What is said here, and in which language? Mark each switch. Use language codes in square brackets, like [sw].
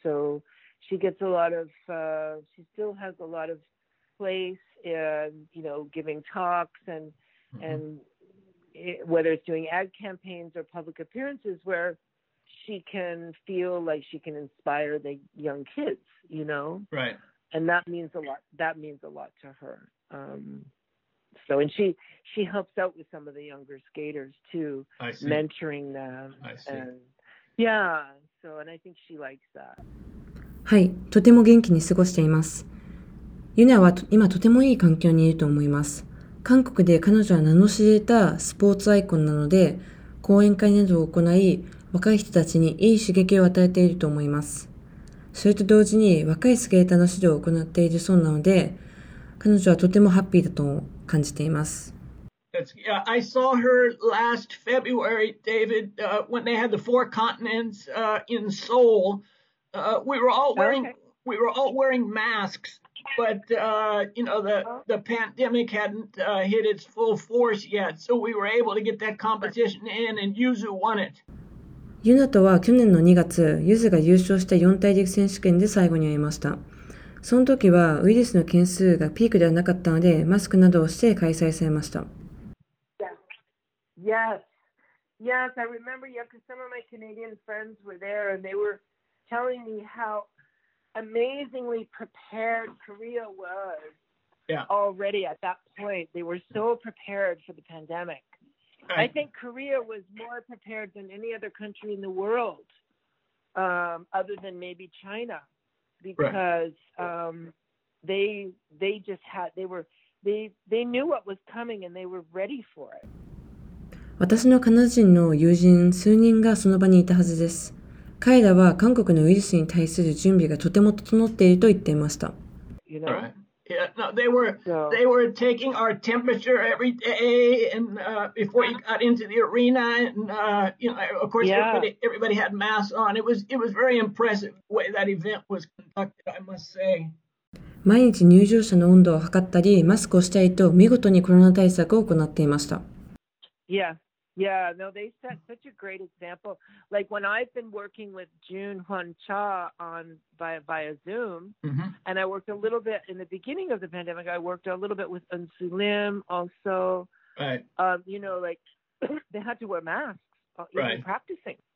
[en] So she gets a lot of, she still has a lot of place in, you know, giving talks and whether it's doing ad campaigns or public appearances where she can feel like she can inspire the young kids, you know? Right. And that means a lot. That means a lot to her. So, and she helps out with some of the younger skaters too. I see. Mentoring them. I see. And, yeah, so, and I think she likes that. [ja] はい、とても元気に過ごしています。ユナは今とてもいい環境にいると思います。韓国で彼女は名の知れたスポーツアイコンなので、講演会などを行い、若い人たちにいい刺激を与えていると思います。それと同時に若いスケーターの指導を行っているそうなので、彼女はとてもハッピーだと感じています。 [en] Yeah, I saw her last February, David, when they had the Four Continents in Seoul. We were all wearing masks, but you know the pandemic hadn't hit its full force yet, so we were able to get that competition in, and Yuzu won it. [ja] ユナとは去年の2月、ユズが優勝した四大陸選手権で最後に会いました。その時はウイルスの件数がピークではなかったので、マスクなどをして開催されました。 [en] Yes, I remember, because some of my Canadian friends were there and they were telling me how amazingly prepared Korea was already at that point. They were so prepared for the pandemic. I think Korea was more prepared than any other country in the world, other than maybe China, because they knew what was coming and they were ready for it. [ja] 私のカナダ人の友人数人がその場にいたはずです。彼らは韓国のウイルスに対する準備がとても整っていると言っていました。 [en] You know? Yeah, no, they were taking our temperature every day and before you got into the arena and you know, of course everybody had masks on. It was very impressive the way that event was conducted, I must say. [ja] 毎日入場者の温度を測ったり、マスクをしたりと見事にコロナ対策を行っていました。 [en] Yeah, no, they set such a great example. Like when I've been working with June Hwan Cha on via Zoom, and I worked a little bit in the beginning of the pandemic, I worked a little bit with Eunsoo Lim also. Right. You know, like they had to wear masks, even practicing.